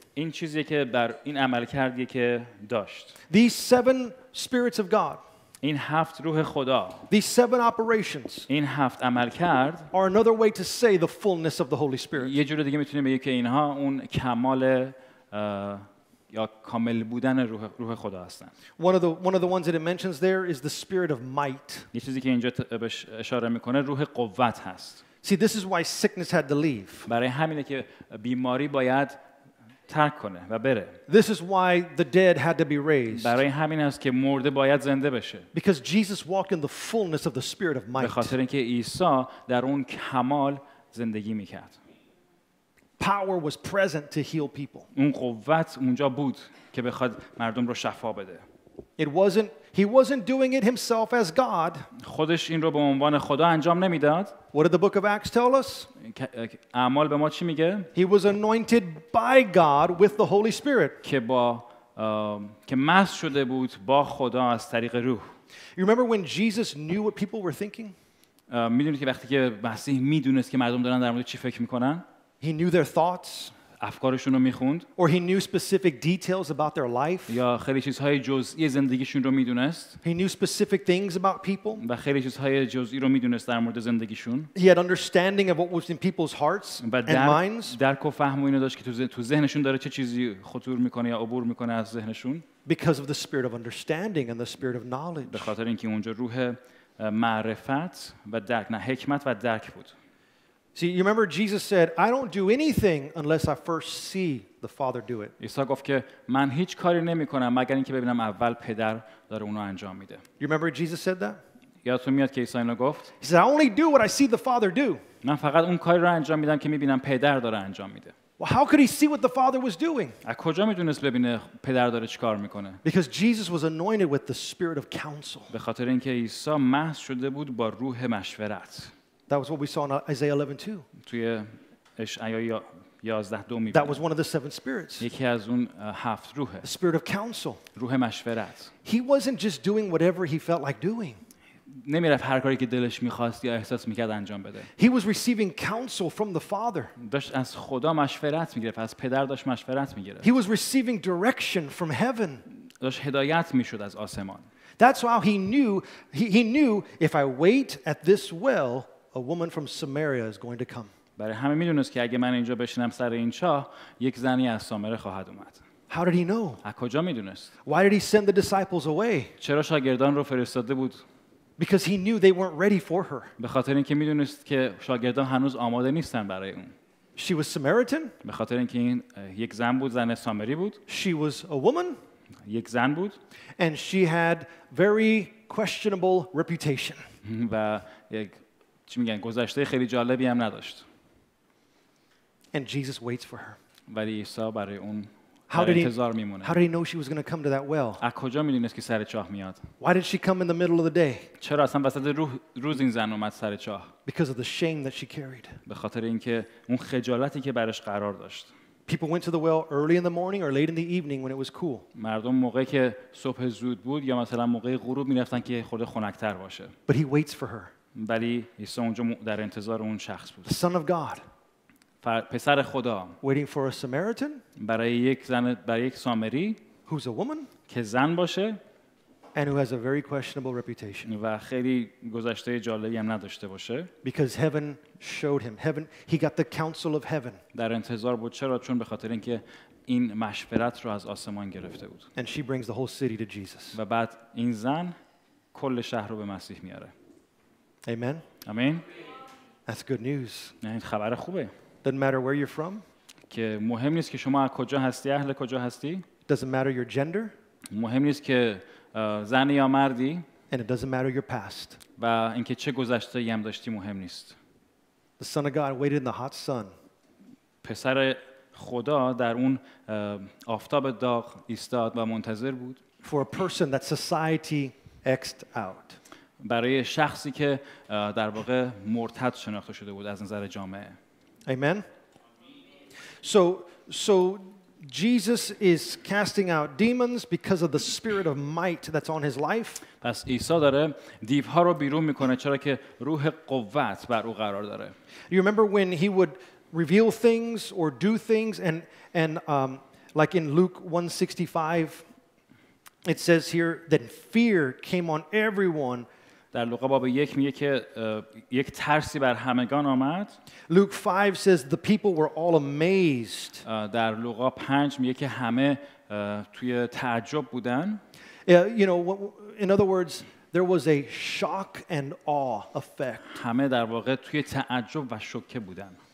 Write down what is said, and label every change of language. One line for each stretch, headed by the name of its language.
Persian: این چیزی که بر این عمل کردی که داشت.
English: These seven spirits of God.
Persian: این هفت روح خدا.
English: These seven operations.
Persian: این هفت عمل کرد.
English: Are another way to say the fullness of the Holy Spirit.
Persian: یه جور دیگه میتونیم بگیم که اینها اون کمال یا کامل بودن روح خدا هستند.
English: One of the ones that it mentions there is the spirit of might.
Persian: یه چیزی که اینجا اشاره میکنه روح قوت هست.
English: See, this is why sickness had to leave.
Persian: برای همینه که بیماری باید ترک کنه و بره.
English: This is why the dead had to be raised.
Persian: برای همین است که مرده باید زنده بشه.
English: Because Jesus walked in the fullness of the Spirit of might.
Persian: به خاطر اینکه عیسی در اون کمال زندگی میکرد.
English: Power was present to heal people.
Persian: اون قوت اونجا بود که بخواد مردم رو شفا بده.
English: He wasn't doing it himself as God.
Persian: خودش این رو به عنوان خدا انجام نمیداد.
English: What did the book of Acts tell us?
Persian: اعمال به ما چی میگه؟
English: He was anointed by God with the Holy Spirit.
Persian: که با که مست شده بود با خدا از طریق روح.
English: You remember when Jesus knew what people were thinking?
Persian: میدونید که وقتی که مسیح میدونست که مردم دارن در مورد چی فکر میکنن؟
English: He knew their thoughts.
Persian: افکارشون رو میخوند.
English: Or he knew specific details about their life.
Persian: یا خیلی چیزهای جزئی زندگیشون رو میدونست.
English: He knew specific things about people.
Persian: و خیلی چیزهای جزئی رو میدونست در مورد زندگیشون.
English: He had understanding of what was in people's hearts and minds.
Persian: درک و فهم اینو داشت که تو ذهنشون داره چه چیزی خطور میکنه یا عبور میکنه از ذهنشون.
English: Because of the spirit of understanding and the spirit of knowledge.
Persian: به خاطر اینکه اونجا روح معرفت و درک نه حکمت و درک بود.
English: See, you remember Jesus said, I don't do anything unless I first see the Father do it.
Persian: عیسی گفت که من هیچ کاری نمی‌کنم مگر اینکه ببینم اول پدر داره اونو انجام میده.
English: You remember Jesus said that?
Persian: یادتون میاد که عیسی اینو گفت؟
English: He said, I only do what I see the Father do.
Persian: من فقط اون کاری رو انجام میدم که می‌بینم پدر داره انجام میده.
English: Well, how could he see what the Father was doing?
Persian: از کجا می‌دونست ببینه پدر داره چیکار می‌کنه؟
English: Because Jesus was anointed with the spirit of counsel.
Persian: به خاطر اینکه عیسی مست شده بود با روح مشورت.
English: That was what we saw in Isaiah 11:2.
Persian: توی اشعیا 11:2 می‌بینیم.
English: That was one of the seven spirits.
Persian: یکی از اون هفت روحه.
English: The spirit of counsel.
Persian: روح مشورت.
English: He wasn't just doing whatever he felt like doing.
Persian: نمی‌رفت هر کاری که دلش می‌خواست یا احساس می‌کرد انجام بده.
English: He was receiving counsel from the Father.
Persian: داشت از خدا مشورت می‌گرفت، از پدر داشت مشورت می‌گرفت.
English: He was receiving direction from heaven.
Persian: داشت هدایت می‌شد از آسمان.
English: That's how he knew if I wait at this well, a woman from Samaria is going to come.
Persian: برای همه میدونست که اگه من اینجا بشینم سر این چاه یک زنی از سامره خواهد اومد.
English: How did he know?
Persian: از کجا میدونست؟
English: Why did he send the disciples away?
Persian: چرا شاگردان رو فرستاده بود؟
English: Because he knew they weren't ready for her.
Persian: به خاطر اینکه میدونست که شاگردان هنوز آماده نیستن برای اون.
English: She was Samaritan?
Persian: به خاطر اینکه این یک زن بود، زن سامری بود.
English: She was a woman?
Persian: یک زن بود.
English: And she had very questionable reputation.
Persian: و یک چی میگن گذشته خیلی جالبی هم نداشت.
English: And Jesus waits for her.
Persian: ولی عیسی برای اون انتظار میمونه.
English: How did he know she was going to come to that well?
Persian: از کجا میدونست که سر چاه میاد؟
English: Why did she come in the middle of the day?
Persian: چرا اصلا وسط روز این زن اومد سر چاه؟
English: Because of the shame that she carried.
Persian: به خاطر اینکه اون خجالتی که برش قرار داشت.
English: People went to the well early in the morning or late in the evening when it was cool.
Persian: مردم موقعی که صبح زود بود یا مثلا موقعی غروب میرفتن که خورده خنک‌تر باشه.
English: But he waits for her.
Persian: بلی عیسی اونجا در انتظار اون شخص بود.
English: The son of God.
Persian: پسر خدا.
English: Waiting for a Samaritan.
Persian: برای یک سامری.
English: Who's a woman.
Persian: که زن باشه.
English: And who has a very questionable reputation.
Persian: و خیلی گذشته جالبی هم نداشته باشه.
English: Because heaven showed him. Heaven. He got the counsel of heaven.
Persian: در انتظار بود. چرا؟ چون به خاطر اینکه این مشورت رو از آسمان گرفته بود.
English: And she brings the whole city to Jesus.
Persian: و بعد این زن کل شهر رو به مسیح میاره.
English: Amen. Amen. That's good news.
Persian: این خبر خوبه.
English: Doesn't matter where you're from.
Persian: که مهم نیست که شما از کجا هستی، اهل کجا هستی.
English: Doesn't matter your gender.
Persian: مهم نیست که زنی یا مردی.
English: And it doesn't matter your past.
Persian: و اینکه چه گذشته ای هم داشتی مهم نیست.
English: The Son of God waited in the hot sun.
Persian: پسر خدا در اون آفتاب داغ ایستاد و منتظر بود.
English: For a person that society X'd out.
Persian: برای شخصی که در واقع مرتد شناخته شده بود از نظر جامعه. آمین.
English: So Jesus is casting out demons because of the spirit of might that's on his life.
Persian: پس عیسی داره دیوها رو بیرون میکنه چرا که روح قوت بر او قرار داره.
English: You remember when he would reveal things or do things and like in Luke 1:65 it says here that fear came on everyone.
Persian: در لوقا باب 1 میگه که یک ترسی بر همگان آمد.
English: Luke 5 says the people were all amazed.
Persian: در لوقا 5 میگه که همه توی تعجب بودن.
English: You know, in other words, there was a shock and awe effect.
Persian: همه در واقع توی تعجب و شوکه بودن.